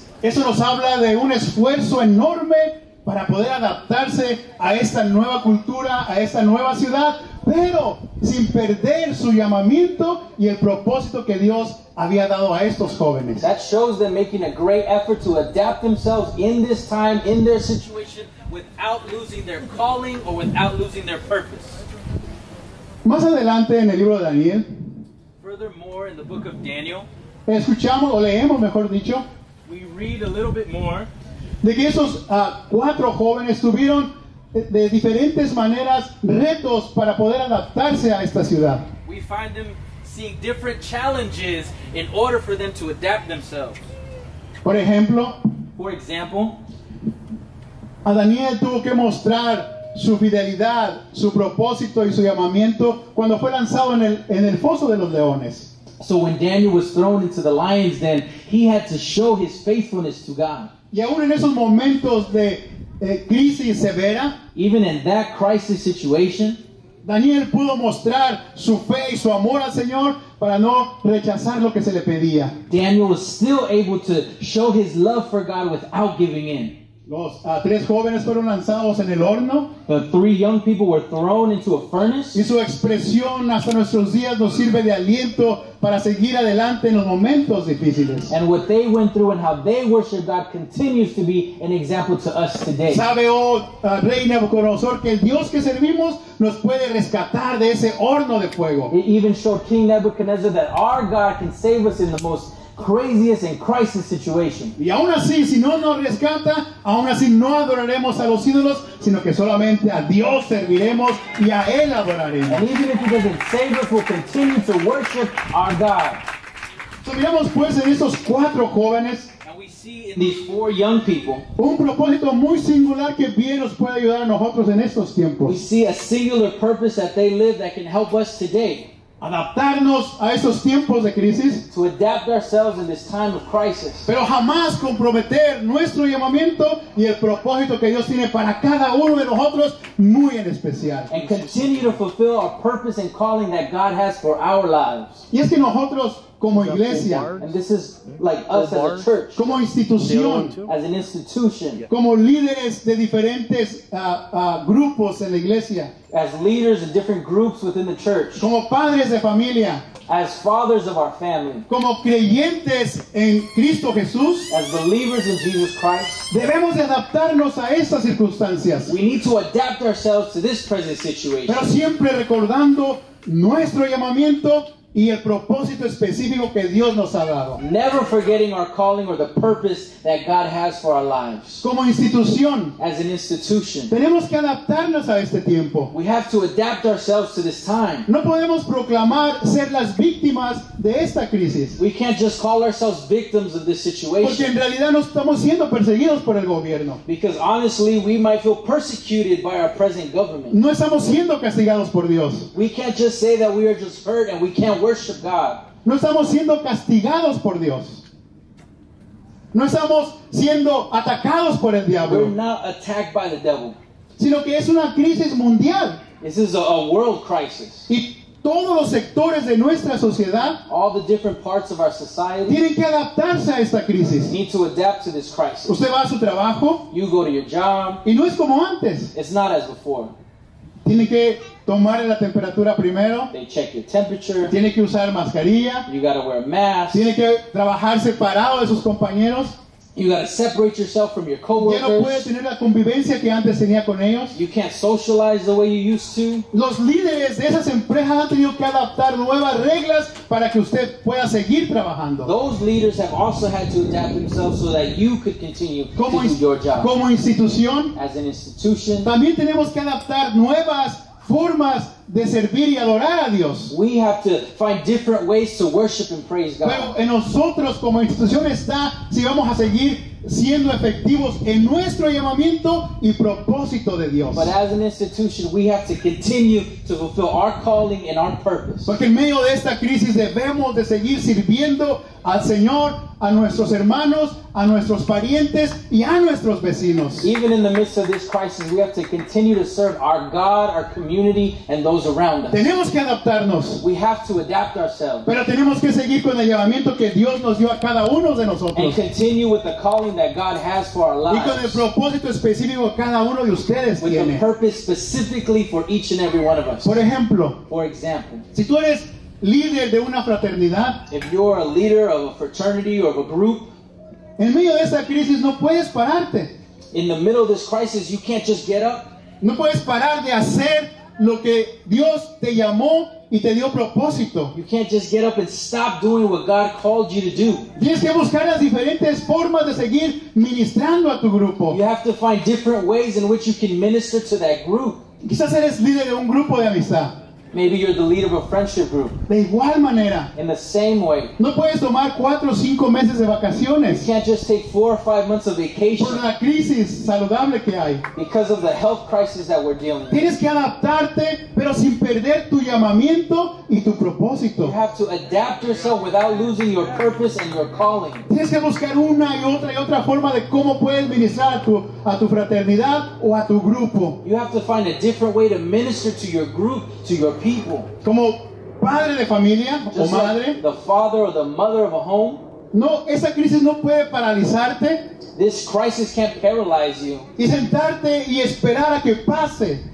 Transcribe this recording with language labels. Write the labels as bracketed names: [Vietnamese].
[Spanish] Eso nos habla de un esfuerzo enorme para poder adaptarse a esta nueva cultura, a esta nueva ciudad, pero sin perder su llamamiento y el propósito que Dios había dado a estos jóvenes. [English] That shows them making a great effort to adapt themselves in this time, in their situation, without losing their calling or without losing their purpose. [Spanish] Más adelante en el libro de Daniel, [English] furthermore, in the book of Daniel, [Spanish] escuchamos, o leemos mejor dicho, [English] we read a little bit more, [Spanish] de que esos cuatro jóvenes tuvieron de diferentes maneras retos para poder adaptarse a esta ciudad. [English] We find them seeing different challenges in order for them to adapt themselves. [Spanish] Por ejemplo, [English] for example, [Spanish] a Daniel tuvo que mostrar su fidelidad, su propósito y su llamamiento cuando fue lanzado en el foso de los leones. [English] So when Daniel was thrown into the lion's den, he had to show his faithfulness to God. [Spanish] Y aún en esos momentos de crisis severa, [English] even in that crisis situation, [Spanish] Daniel pudo mostrar su fe y su amor al Señor para no rechazar lo que se le pedía. [English] Daniel was still able to show his love for God without giving in. [Spanish] Los tres jóvenes fueron lanzados en el horno. [English] The three young people were thrown into a furnace. [Spanish] Y su expresión hasta nuestros días nos sirve de aliento para seguir adelante en los momentos difíciles. [English] And what they went through and how they worshiped God continues to be an example to us today. [Spanish] Sabe, rey Nebuchadnezzar, que el Dios que servimos nos puede rescatar de ese horno de fuego. [English] It even showed King Nebuchadnezzar that our God can save us in the most craziest and crisis situation. [Spanish] Y aún así, si no nos rescata, aún así no adoraremos a los ídolos, sino que solamente a Dios serviremos y a Él adoraremos. [English] And even if He doesn't save us, we'll continue to worship our God. [Spanish] So miramos pues en estos cuatro jóvenes, [English] and these four young people. [Spanish] Un propósito muy singular que bien nos puede ayudar a nosotros en estos tiempos. [English] We see a singular purpose that they live that can help us today. [Spanish] Adaptarnos a estos tiempos de crisis. [English] To adapt ourselves in this time of crisis. [Spanish] Pero jamás comprometer nuestro llamamiento y el propósito que Dios tiene para cada uno de nosotros, muy en especial. [English] And continue to fulfill our purpose and calling that God has for our lives. [Spanish] Y es que nosotros como iglesia, [English] and this is like us as a church, [Spanish] como institución, [English] as an institution, [Spanish] como líderes de diferentes grupos en la iglesia, [English] as leaders in different groups within the church, [Spanish] como padres de familia, [English] as fathers of our family, [Spanish] como creyentes en Cristo Jesús, [English] as believers in Jesus Christ, [Spanish] debemos de adaptarnos a estas circunstancias. [English] We need to adapt ourselves to this present situation. [Spanish] Pero siempre recordando nuestro llamamiento y el propósito específico que Dios nos ha dado. [English] Never forgetting our calling or the purpose that God has for our lives. [Spanish] Como institución, [English] as an institution, [Spanish] tenemos que adaptarnos a este tiempo. [English] We have to adapt ourselves to this time. [Spanish] No podemos proclamar ser las víctimas de esta crisis. [English] We can't just call ourselves victims of this situation. [Spanish] Porque en realidad no estamos siendo perseguidos por el gobierno. [English] Because honestly, we might feel persecuted by our present government. [Spanish] No estamos siendo castigados por Dios. [English] We can't just say that we are just hurt and we can't worship God. [Spanish] No estamos siendo castigados por Dios. No estamos siendo atacados por el diablo. [English] We're not attacked by the devil. [Spanish] Sino que es una crisis mundial. [English] This is a world crisis. [Spanish] Y todos los sectores de nuestra sociedad, [English] all the different parts of our society, [Spanish] tienen que adaptarse a esta crisis. [English] Need to adapt to this crisis. [Spanish] Usted va a su trabajo, [English] you go to your job, [Spanish] y no es como antes. [English] It's not as before. [Spanish] Tiene que tomar la temperatura primero. [English] They check your temperature. [Spanish] Tiene que usar mascarilla. [English] You gotta wear a mask. [Spanish] Tiene que trabajar separado de sus compañeros. [English] You gotta separate yourself from your coworkers. [Spanish] Ya no puede tener la convivencia que antes tenía con ellos. [English] You can't socialize the way you used to. [Spanish] Los líderes de esas empresas han tenido que adaptar nuevas reglas para que usted pueda seguir trabajando. [English] Those leaders have also had to adapt themselves so that you could continue to do your job. [Spanish] Como institución, [English] as an institution, [Spanish] también tenemos que adaptar nuevas formas de servir y adorar a Dios. [English] We have to find different ways to worship and praise God. [Spanish] Pero en nosotros como institución está si vamos a seguir siendo efectivos en nuestro llamamiento y propósito de Dios. [English] But as an institution, we have to continue to fulfill our calling and our purpose. [Spanish] Porque en medio de esta crisis debemos de seguir sirviendo al Señor, a nuestros hermanos, a nuestros parientes y a nuestros vecinos. [English] Even in the midst of this crisis, we have to continue to serve our God, our community, and those around us. [Spanish] Tenemos que adaptarnos. [English] We have to adapt ourselves. [Spanish] Pero tenemos que seguir con el llamamiento que Dios nos dio a cada uno de nosotros. [English] And continue with the calling that God has for our lives. [Spanish] Y con el propósito específico que cada uno de ustedes [English] with [Spanish] tiene. [English] With a purpose specifically for each and every one of us. [Spanish] Por ejemplo, [English] for example, [Spanish] si tú eres líder de una fraternidad, [English] if you're a leader of a fraternity or of a group, [Spanish] en medio de esta crisis no puedes pararte. [English] In the middle of this crisis, you can't just get up. [Spanish] No puedes parar de hacer lo que Dios te llamó y te dio propósito. [English] You can't just get up and stop doing what God called you to do. [Spanish] Tienes que buscar las diferentes formas de seguir ministrando a tu grupo. [English] You have to find different ways in which you can minister to that group. [Spanish] Quizás eres líder de un grupo de amistad. [English] Maybe you're the leader of a friendship group. [Spanish] De igual manera. [English] In the same way. [Spanish] No puedes tomar 4 o 5 meses de vacaciones. [English] You can't just take 4 or 5 months of vacation. [Spanish] Por la crisis saludable que hay. [English] Because of the health crisis that we're dealing with. [Spanish] Tienes que adaptarte, pero sin perder tu llamamiento y tu propósito. [English] You have to adapt yourself without losing your purpose and your calling. [Spanish] Tienes que buscar una y otra forma de cómo puedes ministrar a tu fraternidad o a tu grupo. [English] You have to find a different way to minister to your group, to your people. [Spanish] Como padre de familia, [English] just [Spanish] o madre, [English] like the father or the mother of a home. [Spanish] No, esa crisis no puede paralizarte. [English] This crisis can't paralyze you. [Spanish] Y sentarte y esperar a que pase.